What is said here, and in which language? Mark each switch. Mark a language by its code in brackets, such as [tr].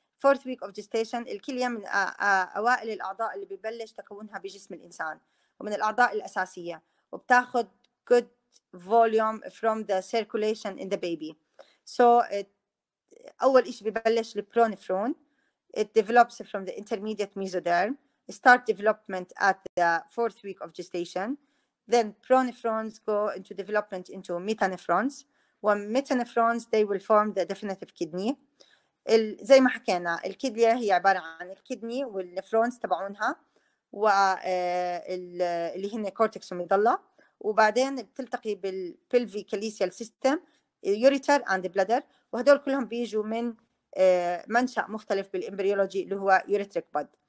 [en] fourth week of gestation [ar] الكلية من أوائل الأعضاء اللي ببلش تكونها بجسم الإنسان ومن الأعضاء الأساسية، وبتاخد [en] good volume from the circulation in the baby. [ar] So أول إشي ببلش البرونيفرون. [en] It develops from the intermediate mesoderm. Start development at the fourth week of gestation. Then pronephrons go into development into metanephrons. When metanephrons, they will form the definitive kidney. [ar] زي ما حكينا الكلية هي عبارة عن الكيدني والنفرونز تبعونها واللي هن كورتكس وميدلا، وبعدين بتلتقي بالبلفي كاليسيال سيستم يوريتر اند بلادر، وهدول كلهم بيجوا من منشأ مختلف بالإمبريولوجي اللي هو يوريتريك بود.